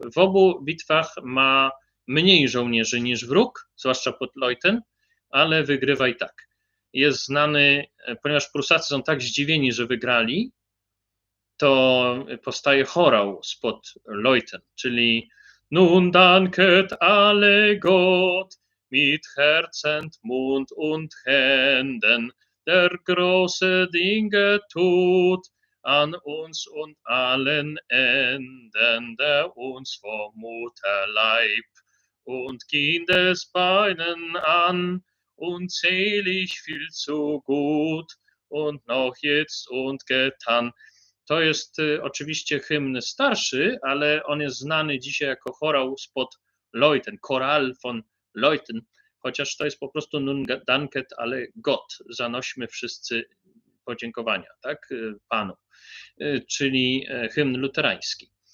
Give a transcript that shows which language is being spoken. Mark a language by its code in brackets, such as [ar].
[pl] W obu bitwach ma mniej żołnierzy niż wróg, zwłaszcza pod Leuthen, ale wygrywa i tak. Jest znany, ponieważ Prusacy są tak zdziwieni, że wygrali, to powstaje chorał spod Leuthen, czyli [de] Nun danket alle Gott mit Herzen, Mund und Händen der große Dinge tut an uns und allen Enden der uns vom Mutterleib und Kindesbeinen an, und selig viel zu gut, und noch jetzt und getan. [pl] To jest oczywiście hymn starszy, ale on jest znany dzisiaj jako chorał spod Leuthen, Choral von Leuthen, chociaż to jest po prostu [de] Nun danket alle Gott, [pl] zanośmy wszyscy podziękowania, tak, Panu, czyli hymn luterański.